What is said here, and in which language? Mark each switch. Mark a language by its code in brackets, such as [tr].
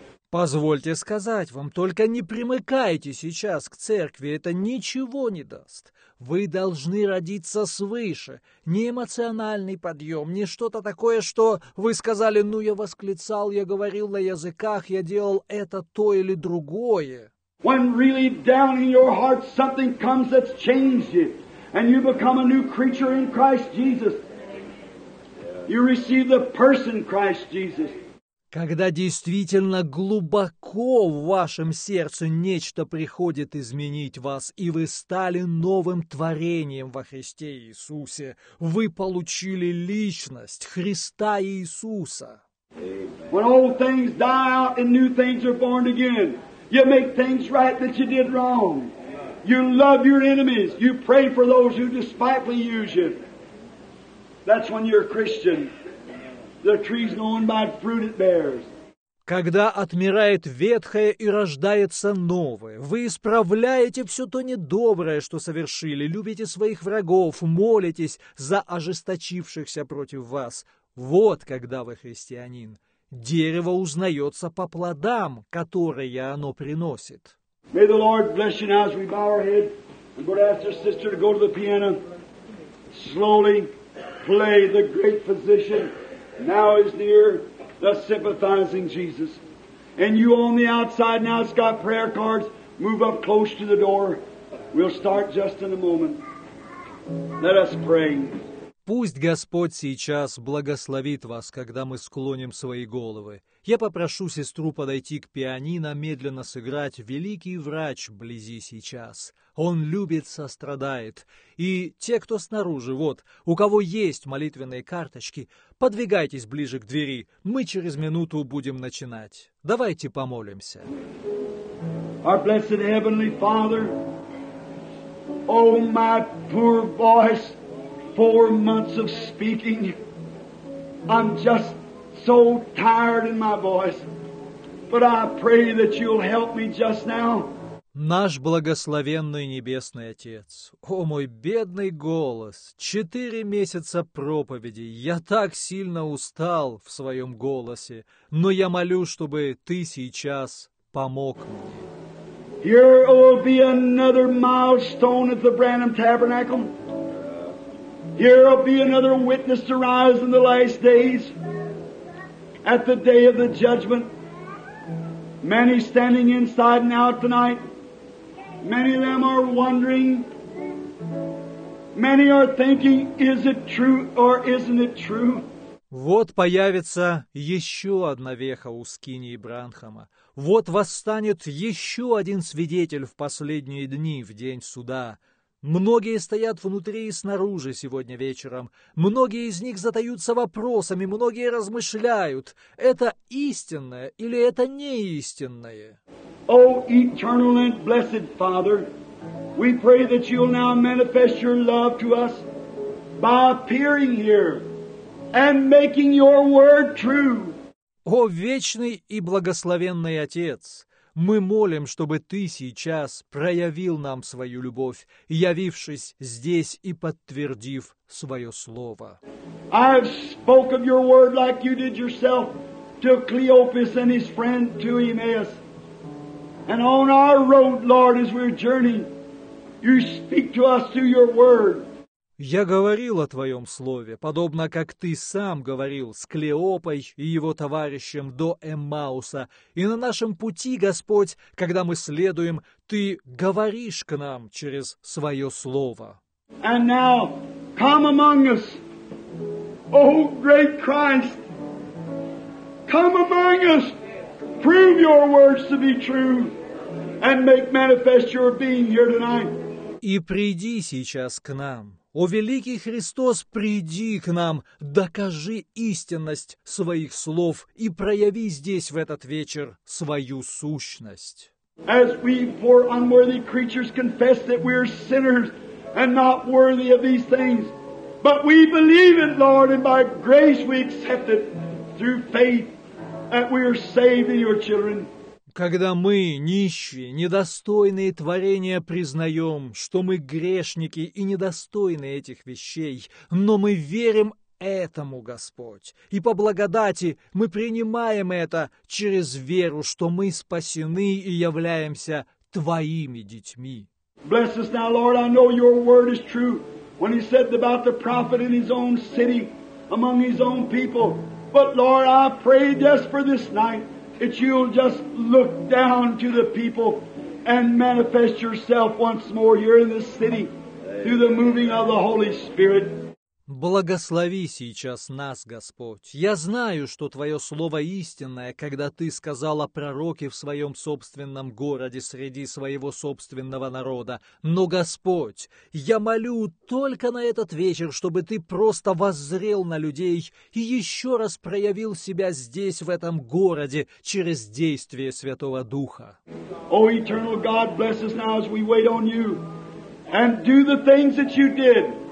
[ru] Позвольте сказать вам, только не примыкайте сейчас к церкви, это ничего не даст. Вы должны родиться свыше. Не эмоциональный подъем, не что-то такое, что вы сказали, ну я восклицал, я говорил на языках, я делал это то или другое. [en] When really down in your heart something comes that's changed you, and you become a new creature in Christ Jesus. You receive the person Christ Jesus. [ru] Когда действительно глубоко в вашем сердце нечто приходит изменить вас, и вы стали новым творением во Христе Иисусе, вы получили личность Христа Иисуса. [en] When old things die out and new things are born again, you make things right that you did wrong. You love your enemies. You pray for those who despitefully use you. That's when you're a Christian. The tree's known by fruit it bears. [ru] Когда отмирает ветхое и рождается новое, вы исправляете все то недоброе, что совершили, любите своих врагов, молитесь за ожесточившихся против вас. Вот когда вы христианин. Дерево узнается по плодам, которые оно приносит. [en] May the Lord bless you now as we bow our head. I'm going to ask your sister to go to the piano. Slowly play the great physician. Now is near the sympathizing Jesus. And you on the outside now that's got prayer cards, move up close to the door. We'll start just in a moment. Let us pray. [ru] Пусть Господь сейчас благословит вас, когда мы склоним свои головы. Я попрошу сестру подойти к пианино, медленно сыграть «Великий врач вблизи сейчас». Он любит, сострадает. И те, кто снаружи, вот, у кого есть молитвенные карточки, подвигайтесь ближе к двери, мы через минуту будем начинать. Давайте помолимся. [en] Our blessed Heavenly Father, oh my poor voice, 4 months of speaking, I'm just so tired in my voice, but I pray that you'll help me just now. [ru] Наш благословенный Небесный Отец, о мой бедный голос, 4 месяца проповеди, я так сильно устал в своем голосе, но я молю, чтобы Ты сейчас помог мне. [en] Here will be another milestone at the Branham Tabernacle. Here will be another witness to rise in the last days. At the day of the judgment, many standing inside and out tonight, many of them are wondering, many are thinking, is it true or isn't it true? [ru] Вот появится еще одна веха у скинии Бранхама. Вот восстанет еще один свидетель в последние дни, в день суда. Многие стоят внутри и снаружи сегодня вечером. Многие из них задаются вопросами, многие размышляют. Это истинное или это неистинное? [en] О, eternal and blessed Father, we pray that you'll now manifest your love to us by appearing here and making your word true. [ru] О, вечный и благословенный Отец! Мы молим, чтобы Ты сейчас проявил нам Свою любовь, явившись здесь и подтвердив Свое Слово. [en] I've spoken Your Word like You did Yourself to Cleopas and his friend to Emmaus. And on our road, Lord, as we're journeying, You speak to us through Your Word. [ru] Я говорил о Твоем Слове, подобно как Ты сам говорил с Клеопой и его товарищем до Эммауса. И на нашем пути, Господь, когда мы следуем, Ты говоришь к нам через Свое Слово. [en] And now, come among us, O great Christ! Come among us! Prove Your words to be true and make manifest Your being here tonight. [ru] И приди сейчас к нам. О, великий Христос, приди к нам, докажи истинность своих слов и прояви здесь в этот вечер свою сущность. [en] As we poor unworthy creatures confess that we are sinners and not worthy of these things, but we believe it, Lord, and by grace we accept it through faith that we are saved in your children. [ru] Когда мы, нищие, недостойные творения, признаем, что мы грешники и недостойны этих вещей, но мы верим этому, Господь. И по благодати мы принимаем это через веру, что мы спасены и являемся Твоими детьми. [en] Bless us now, Lord. I know Your word is true. When He said about the prophet in His own city, among His own people. But Lord, I pray just for this night that You'll just look down to the people and manifest Yourself once more here in this city through the moving of the Holy Spirit. [ru] Благослови сейчас нас, Господь. Я знаю, что Твое слово истинное, когда Ты сказал о пророке в своем собственном городе среди своего собственного народа. Но, Господь, я молю только на этот вечер, чтобы Ты просто воззрел на людей и еще раз проявил Себя здесь, в этом городе, через действие Святого Духа. [en] О, Eternal God, bless us now as we wait on You and do the things that You did.